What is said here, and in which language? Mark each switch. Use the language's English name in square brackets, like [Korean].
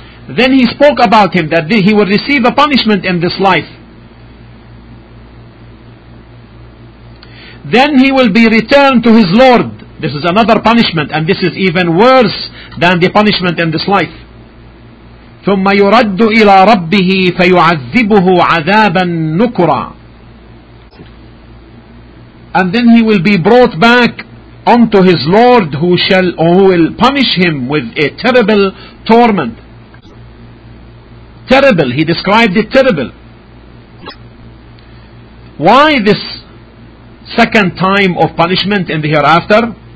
[English] Then he spoke about him that he will receive a punishment in this life. Then he will be returned to his Lord. This is another punishment, and this is even worse than the punishment in this life. [Arabic] ثم يرد إلى ربه فيعذبه عذابا نكرا. [English] And then he will be brought back unto his Lord, who will punish him with a terrible torment. Terrible, he described it terrible. Why this second time of punishment in the hereafter?